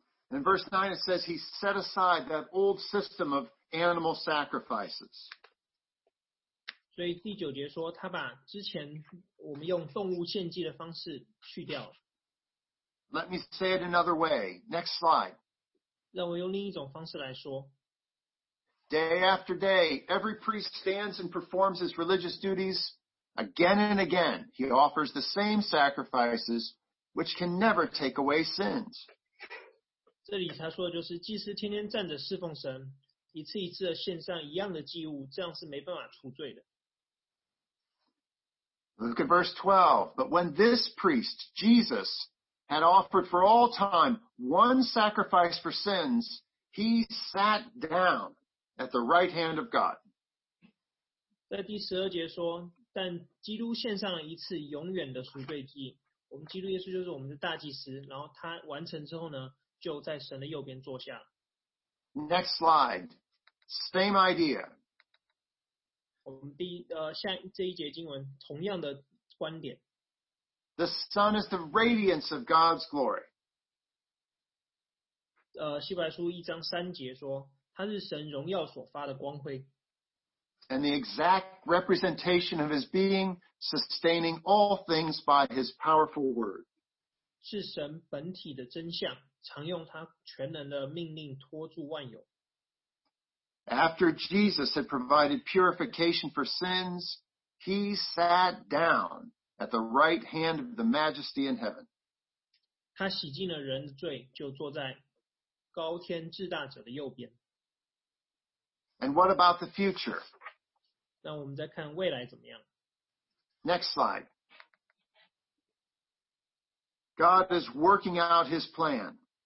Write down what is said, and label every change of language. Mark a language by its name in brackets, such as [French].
[English] In verse 9 it says he set aside that old system of animal sacrifices. [Chinese] 所以第九节说他把之前我们用动物献祭的方式去掉了。 [English] Let me say it another way. Next slide. [Chinese] 让我用另一种方式来说。 [English] Day after day, every priest stands and performs his religious duties again and again. He offers the same sacrifices which can never take away sins. [Chinese] 这里他说的就是祭司天天站着侍奉神，一次一次的献上一样的祭物，这样是没办法除罪的。 [English] Look at verse 12. But when this priest, Jesus, had offered for all time one sacrifice for sins, he sat down. At the right hand of God. [Chinese] 在第十二节说，但基督献上了一次永远的赎罪祭。我们基督耶稣就是我们的大祭司，然后他完成之后呢，就在神的右边坐下。 [English] Next slide. Same idea. [Chinese] 我们第下这一节经文同样的观点。 [English] The Son is the radiance of God's glory. [Chinese] 希伯来书一章三节说。他是神荣耀所发的光辉。 [English] And the exact representation of his being, sustaining all things by his powerful word. [Chinese] 是神本体的真相，常用他全能的命令托住万有。 [English] After Jesus had provided purification for sins, he sat down at the right hand of the majesty in heaven. [Chinese] 他洗净了人的罪，就坐在高天至大者的右边。 [English] And what about the future? [Chinese] 那我们再看未来怎么样。 [English] Next slide. God is working out his plan.